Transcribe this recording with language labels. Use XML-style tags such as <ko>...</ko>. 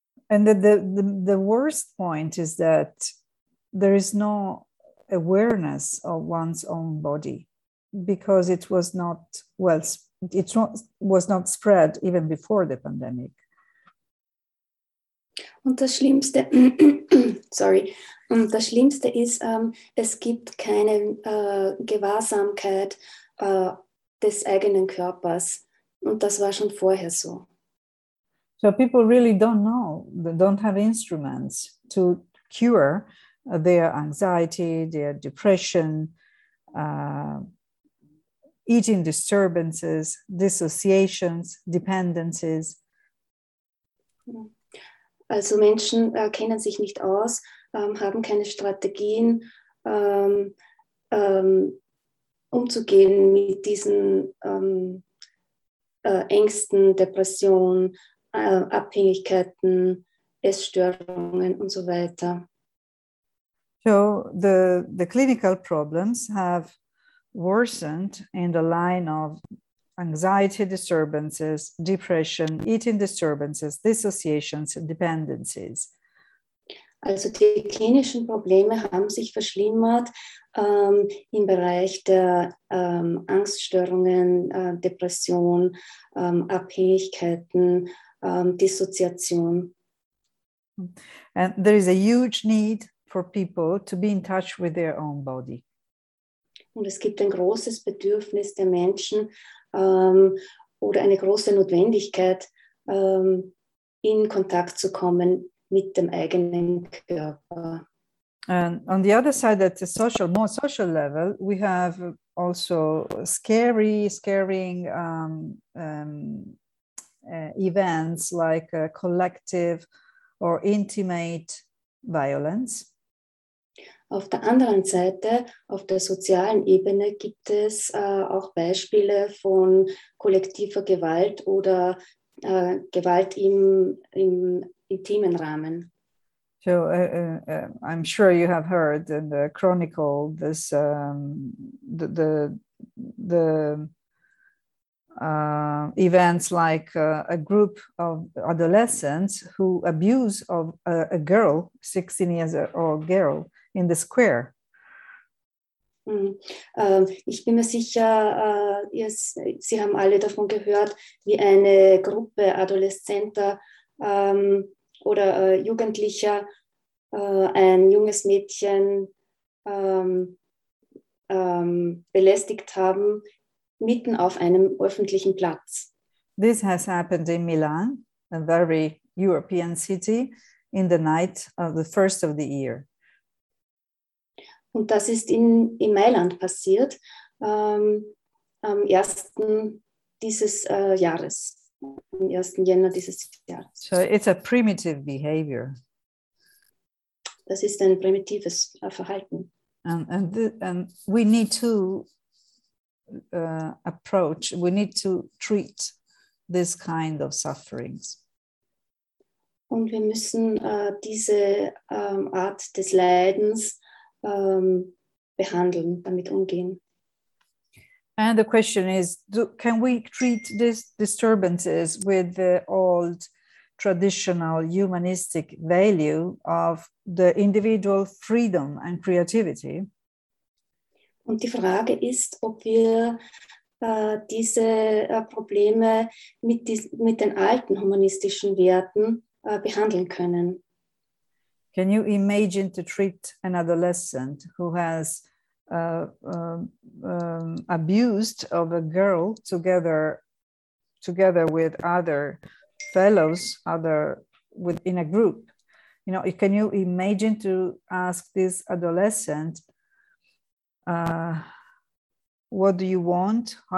<en>And the worst point is that there is no awareness of one's own body, because it was not spread even before the pandemic.</en> <de>Und das Schlimmste, sorry, und das Schlimmste ist, es gibt keine Gewahrsamkeit des eigenen Körpers, und das war schon vorher so.</de> <en>So people really don't know, they don't have instruments to cure their anxiety, their depression, eating disturbances, dissociations, dependencies.</en> <de>Also Menschen kennen sich nicht aus, haben keine Strategien, umzugehen mit diesen Ängsten, Depressionen, Abhängigkeiten, Essstörungen und so weiter.</de> <en>So the clinical problems have worsened in the line of anxiety disturbances, depression, eating disturbances, dissociations and dependencies.</en> <de>Also die klinischen Probleme haben sich verschlimmert im Bereich der Angststörungen, Depression, Abhängigkeiten, Dissoziation.</de> <en>And there is a huge need for people to be in touch with their own body.</en> <de>Und es gibt ein großes Bedürfnis der Menschen oder eine große Notwendigkeit, in Kontakt zu kommen mit dem eigenen Körper.</de> <en>And on the other side, at the social, more social level, we have also scary, scaring events like a collective or intimate violence.</en> <de>Auf der anderen Seite, auf der sozialen Ebene, gibt es auch Beispiele von kollektiver Gewalt oder Gewalt im intimen Rahmen.</de> <en>So, I'm sure you have heard in the Chronicle this events like a group of adolescents who abuse of a girl, 16 years old girl, in the square.</en> <de>Ich bin mir sicher, Sie haben alle davon gehört, wie eine Gruppe Adoleszenter oder Jugendlicher ein junges Mädchen belästigt haben, mitten auf einem öffentlichen Platz.</de> <en>This has happened in Milan, a very European city, in the night of the first of the year.</en> <de>Und das ist in Mailand passiert, am 1. dieses Jahres, am 1. Jänner dieses Jahres.</de> <en>So it's a primitive behavior.</en> <de>Das ist ein primitives Verhalten.</de> <en>And we need to approach, we need to treat this kind of sufferings.</en> <de>Und wir müssen diese Art des Leidens behandeln, damit umgehen.</de> <en>And the question is, can we treat these disturbances with the old traditional humanistic value of the individual freedom and creativity.</en> <de>Und die Frage ist, ob wir diese Probleme mit den alten humanistischen Werten behandeln können.</de> <en>Can you imagine to treat an adolescent who has abused of a girl together with other fellows, in a group? You know, can you imagine to ask this adolescent, what do you want?</en>